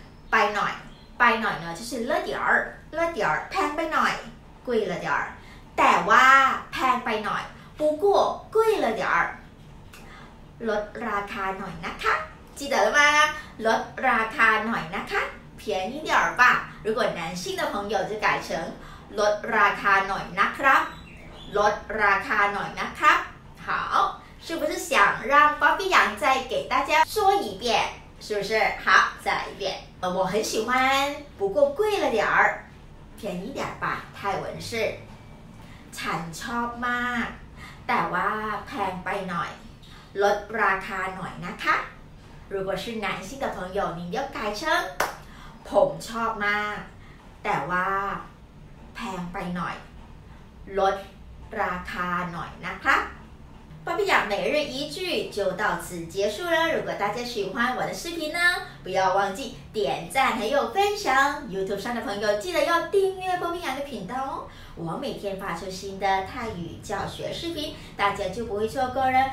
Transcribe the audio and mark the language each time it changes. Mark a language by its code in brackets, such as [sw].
[zh] ไปหน่อยไปหน่อย呢就是了点儿了点儿แพงไปหน่อย贵了点儿 [th] แต่ว่าแพงไปหน่อย [zh] 不过贵了点儿 [th] ลดราคาหน่อยนะคะ [zh] 记得了吗？ ลดราคาหน่อยนะคะ便宜点儿吧。如果男性的朋友就改成 [th] ลดราคาหน่อยนะครับ。 ลดราคาหน่อยนะครับ。 [zh] 好，是不是想让巴比羊再给大家说一遍？是不是？好，再来一遍。我很喜欢，不过贵了点儿，便宜点儿吧。泰文是 [th] ฉันชอบมาก，แต่ว่าแพงไปหน่อย，ลดราคาหน่อยนะคะ。 [zh] 如果是男性的朋友，你要改成 [th] ผมชอบมาก，แต่ว่าแพงไปหน่อย，ลดราคาหน่อยนะคะ。 [zh] 巴比羊每日一句就到此结束了。如果大家喜欢我的视频呢，不要忘记点赞还有分享。 YouTube 上的朋友记得要订阅巴比羊的频道哦。我每天发出新的泰语教学视频，大家就不会错过了。